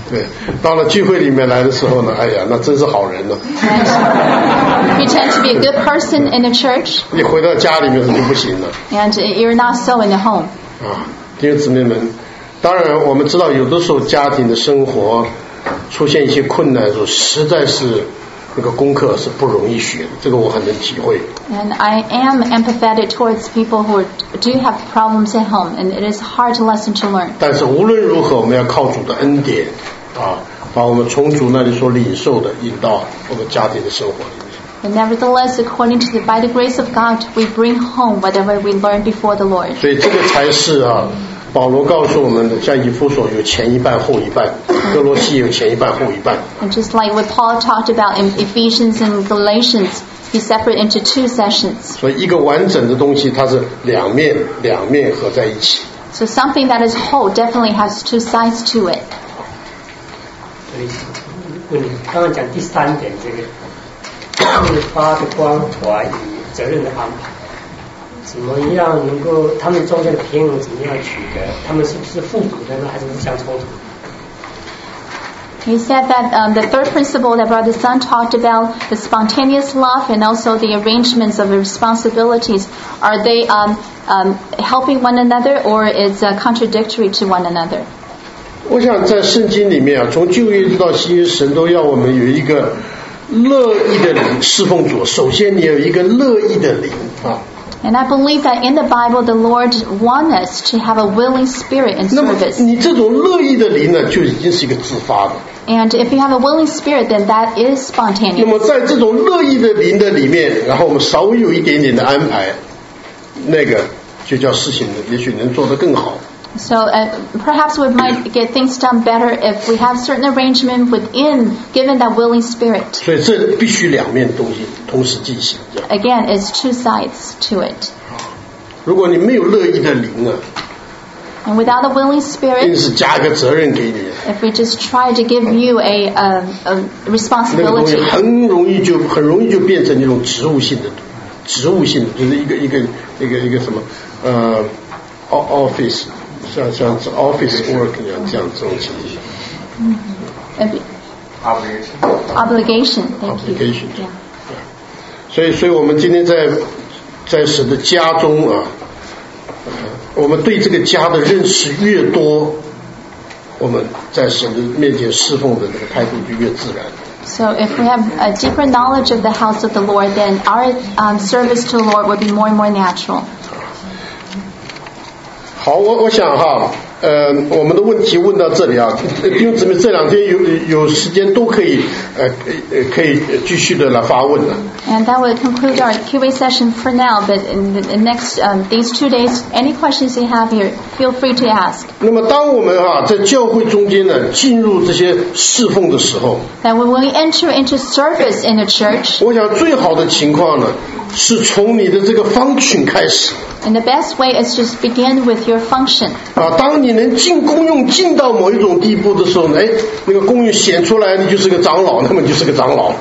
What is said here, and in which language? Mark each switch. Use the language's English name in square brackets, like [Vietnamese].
[Chinese] 对，到了聚会里面来的时候呢，哎呀，那真是好人呢。 [English] Pretend to be a good person in the church. [Chinese] 你回到家里面是不行的。 [English] And you're not so in the home. [Chinese] 弟兄姊妹们，当然我们知道有的时候家庭的生活出现一些困难的时候，实在是那个功课是不容易学的，这个我很能体会。 [English] And I am empathetic towards people who do have problems at home, and it is hard to lesson to learn. [Chinese] 但是无论如何我们要靠主的恩典啊，把我们从主那里所领受的引到我们家庭的生活里面。 [English] And nevertheless, according to the, by the grace of God, we bring home whatever we learn before the Lord. [Chinese] 所以这个才是啊，保罗告诉我们的，像以弗所有前一半后一半，哥罗西有前一半后一半。 [English] And just like what Paul talked about in Ephesians and Galatians, he separated into two sessions. [Chinese] 所以一个完整的东西，它是两面，两面合在一起。 [English] So something that is whole definitely has two sides to it. [Chinese] 对，刚刚讲第三点，这个发的关怀与责任的安排。怎么样能够他们中间的平衡怎么样取得？他们是不是互补的呢？还是互相冲突？ [English] He said that the third principle that Brother Sun talked about, the spontaneous love and also the arrangements of the responsibilities, are they helping one another or is contradictory to one another? [Chinese] 我想在圣经里面啊，从旧约到新约，神都要我们有一个乐意的灵侍奉主。首先，你有一个乐意的灵啊。 [English] And I believe that in the Bible, the Lord wants us to have a willing spirit in service. [Chinese] 你这种乐意的灵呢，就已经是一个自发的。 [English] And if you have a willing spirit, then that is spontaneous. [Chinese] 那么在这种乐意的灵的里面，然后我们稍微有一点点的安排，那个就叫事情也许能做得更好。 [English] So perhaps we might get things done better if we have certain arrangement within, given that willing spirit. [Chinese] 所以这必须两面东西同时进行。 [English] Again, it's two sides to it. [Chinese] 如果你没有乐意的灵啊， [English] and without a willing spirit, [Chinese] 硬是加个责任给你。 [English] If we just try to give you a responsibility, [Chinese] 那个东西很容易就变成那种植物性的，就是一个什么office。像office work 一样，这样这种情形。 [English] Obligation. Obligation. Thank you. [Chinese] 所以我们今天在神的家中啊，我们对这个家的认识越多，我们在神的面前侍奉的那个态度就越自然。 [English] So if we have a deeper knowledge of the house of the Lord, then our service to the Lord will be more and more natural. [Chinese] 好，我想哈，我们的问题问到这里啊，弟兄姊妹这两天有时间都可以可以继续的来发问的。 [English] And that will conclude our Q&A session for now. But in the next these two days, any questions you have here, feel free to ask. [Chinese] 那么当我们啊在教会中间呢进入这些侍奉的时候 [English] ，That when we enter into service in the church, [Chinese] 我想最好的情况呢是从你的这个function开始。 And the best way is just begin with your function. 啊，当你能进功用进到某一种地步的时候，哎，那个功用显出来，你就是个长老，那么就是个长老。